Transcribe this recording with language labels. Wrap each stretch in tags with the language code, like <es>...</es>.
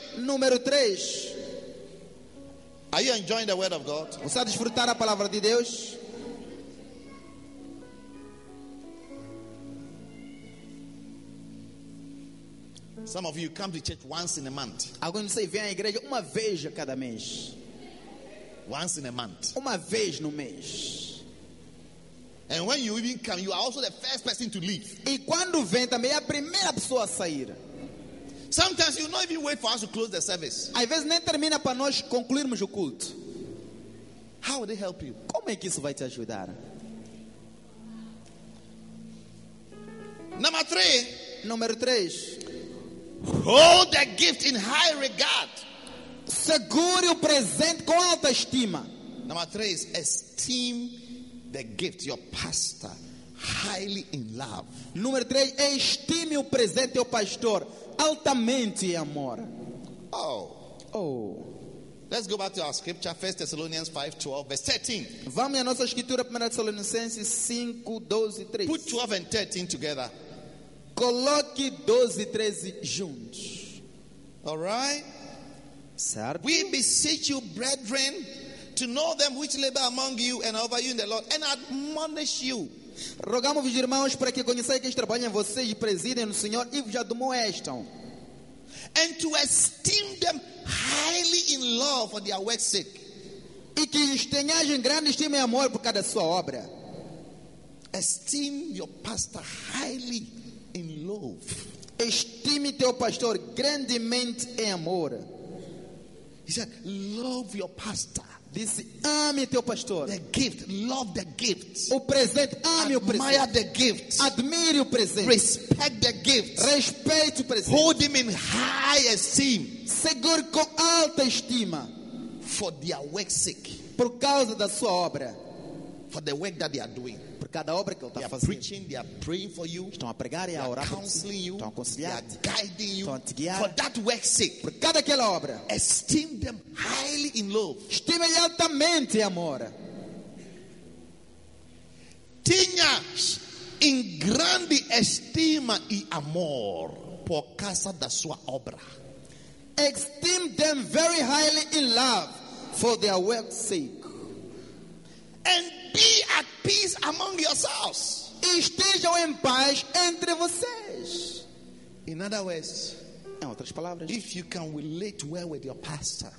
<pt>Número 3.</pt> <en>Are you enjoying the word of God?</en> <pt>Você está desfrutando a palavra de Deus?</pt> <en>Some of you come to church once in a month.</en> <pt>Alguns de vocês vêm à igreja uma vez a cada mês.</pt> <en>Once in a month.</en> <pt>Uma vez no mês.</pt> <en>And when you even come, you are also the first person to leave.</en> <pt>E quando vem também é a primeira pessoa a sair.</pt> <en>Sometimes you not even wait for us to close the service.</en> <pt>Às vezes nem termina para nós concluirmos o culto.</pt> <en>How will they help you?</en> <pt>Como é que isso vai te ajudar?</pt> <en>Number three.</en> <pt>Número 3.</pt> <en>Hold the gift in high regard.</en> <pt>Segure o presente com alta estima.</pt> <en>Number 3 is esteem the gift, your pastor, highly in love.</en> <pt>Número 3 é estime o presente, o pastor, altamente em amor. Oh. Oh.</pt> <en>Let's go back to our scripture, 1 Thessalonians 5, 12, verse 13.</en> <pt>Vamos à nossa escritura, 1 Thessalonicenses 5, 12 e 13.</pt> <en>Put 12 and 13 together.</en> <pt>Coloque 12 e 13 juntos.</pt> <en>All right.</en> <pt>Certo.</pt> <en>We beseech you, brethren, to know them which labor among you and over you in the Lord, and admonish you.</en> <pt>Rogamos, irmãos, para que conheçais que trabalham vocês e presidem no Senhor e vos admoestam.</pt> <en>And to esteem them highly in love for their work's sake.</en> <pt>E que os tenhais em grande estima e amor por causa da sua obra.</pt> <en>Esteem your pastor highly in love.</en> <pt>Estime teu pastor grandemente em amor.</pt> <en>He said, "Love your pastor."</en> <pt>Disse, ame teu pastor.</pt> <en>The gift, love the gift.</en> <pt>O presente, ame o presente.</pt> <en>Admire the gift.</en> <pt>Admire o presente.</pt> <en>Respect the gift.</en> <pt>Respeite o presente.</pt> <en>Hold him in high esteem.</en> <pt>Segure com alta estima.</pt> <en>For their work's sake.</en> <pt>Por causa da sua obra.</pt> <en>For the work that they are doing.</en> <pt>Por cada obra que ele está fazendo.</pt> <en>Preaching, they are praying for you.</en> <pt>Estão a pregar e a orar por ti. Estão a aconselhar.</pt> <en>They are guiding you.</en> <pt>Estão a te guiar.</pt> <en>For that work's sake.</en> <pt>Por cada aquela obra.</pt> <en>Esteem them highly in love.</en> <pt>Estime-lhe altamente em amor. Tenhas em grande estima e amor por causa da sua obra.</pt> <en>Esteem them very highly in love for their work's sake. And be at peace among yourselves.</en> <pt>Estejam em paz entre vocês.</pt> <en>In other words,</en> <pt>em outras palavras,</pt> <en>if you can relate well with your pastor,</en>